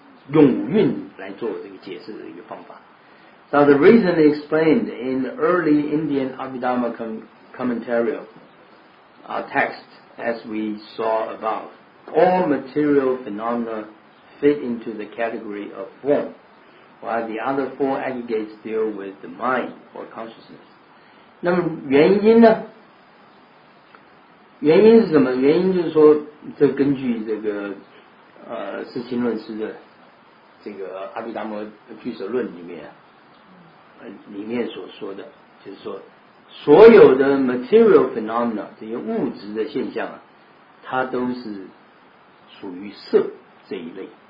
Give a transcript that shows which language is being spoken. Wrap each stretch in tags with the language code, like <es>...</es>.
<zh>用五蕴来做这个解释的一个方法。</zh> <en>Now the reason explained in early Indian Abhidhamma commentarial text, as we saw above, all material phenomena fit into the category of form, while the other four aggregates deal with the mind or consciousness.</en> <zh>那么原因呢？原因是什么？原因就是说，这根据这个四清论师的。这个阿毗达摩俱舍论里面所说的，就是说所有的</zh> <en>material phenomena</en> <zh>这些物质的现象啊，它都是属于色这一类。</zh>